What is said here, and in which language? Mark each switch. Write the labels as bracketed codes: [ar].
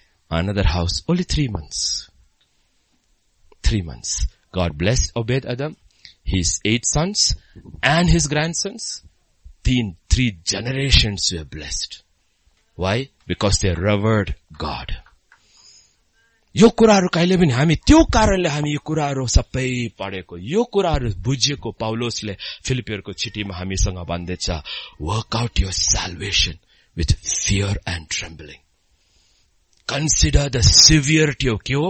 [en] Another house, only 3 months. 3 months. God blessed Obed Adam, his 8 sons and his grandsons. Three generations were blessed. Why? Because they revered God. [ne] यो कुराहरू कहिले पनि हामी त्यो कारणले हामी यो कुराहरू सबै पढेको यो कुराहरू बुझेको पाउलोसले फिलिपीहरूको चिठीमा हामीसँग भन्दैछ, [en] Work out your salvation with fear and trembling. Consider the severity [ne] के हो?